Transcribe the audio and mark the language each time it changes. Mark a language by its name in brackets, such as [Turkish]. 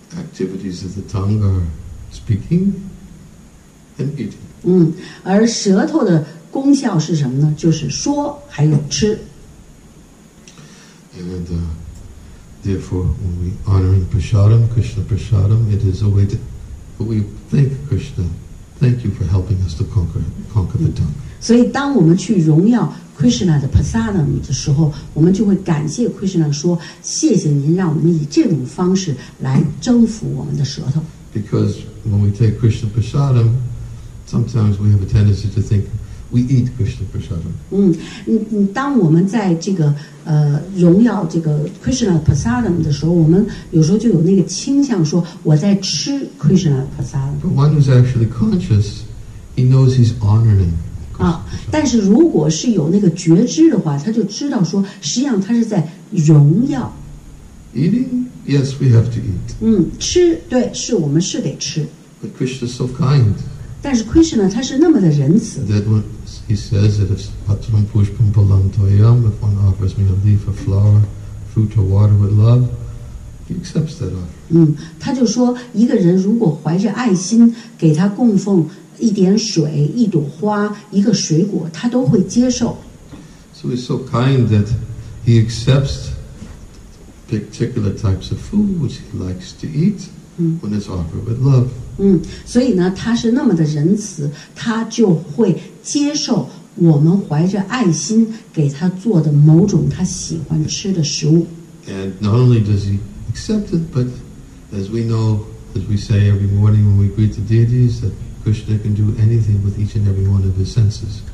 [English] Activities of the tongue are speaking and eating. [Chinese] 嗯，而舌头的功效是什么呢？就是说还有吃。 [English] And therefore, when we honoring prasadam, Krishna prasadam, it is a way to we thank Krishna. Thank you for helping us to conquer the tongue. [Chinese] 所以，当我们去荣耀。 Krishna 的 prasadam 的时候，我们就会感谢 Krishna 说：“谢谢您，让我们以这种方式来征服我们的舌头。” [English] Because when we take Krishna prasadam, sometimes we have a tendency to think we eat Krishna prasadam. [Chinese] 嗯，当我们在这个荣耀这个 Krishna prasadam 的时候，我们有时候就有那个倾向说我在吃 Krishna prasadam. [English] But one who's actually conscious, he knows he's honoring. [Chinese] 啊，但是如果是有那个觉知的话，他就知道说，实际上他是在荣耀。 [English] Eating, yes, we have to eat. [Chinese] 嗯，吃，对，是我们是得吃。 [English] But Krishna is so kind. [Chinese] 但是 Krishna 他是那么的仁慈。 [English] That when he says that if [Sanskrit] patram pushpam palam toyam, [English] if one offers me a leaf, a flower, fruit or water with love, he accepts that offer. [Chinese] 嗯，他就说一个人如果怀着爱心给他供奉。一点水，一朵花，一个水果，他都会接受。 [English] So he's so kind that he accepts particular types of food which he likes to eat when it's offered with love. [Chinese] 嗯，所以呢，他是那么的仁慈，他就会接受我们怀着爱心给他做的某种他喜欢吃的食物。 [English] And not only does he accept it, but as we know, as we say every morning when we greet the deities that. Krishna can do anything with each and every one of his senses.